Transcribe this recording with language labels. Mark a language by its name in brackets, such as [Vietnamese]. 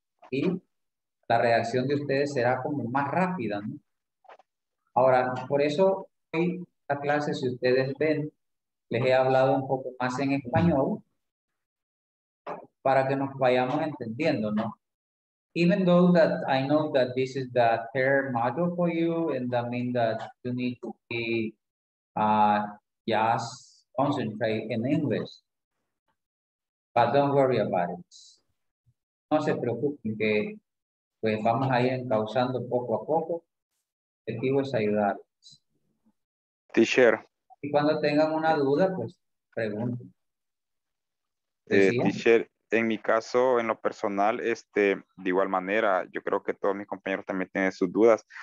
[Spanish] Y la reacción de ustedes será como más rápida, ¿no? Ahora, por eso hoy la clase, si ustedes ven, les he hablado un poco más en español para que nos vayamos entendiendo, ¿no? [English] Even though that I know that this is the third module for you, and that means that you need to be just concentrate in English. But don't worry about it. [Spanish] No se preocupen que pues vamos a ir encauzando poco a poco. El objetivo es ayudarles. [English] Teacher. [Spanish] Y cuando tengan una duda, pues pregunten. Teacher, en mi caso, en lo personal, de igual manera, yo creo que todos mis compañeros también tienen sus dudas.